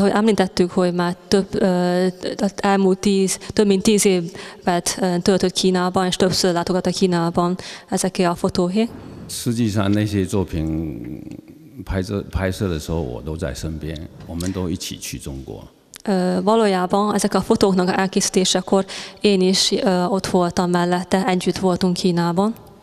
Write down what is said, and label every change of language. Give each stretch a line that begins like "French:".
Hungarian: ahogy említettük, hogy már több mint tíz évet töltött Kínában, és többször látogatta Kínában ezeké a fotóhé.
Chinese: 实际上那些作品 拍摄的时候我都在身边，我们都一起去中国。
Hungarian: Valójában ezek a fotóknak elkészítésekor én is ott voltam mellette, együtt voltunk Kínában.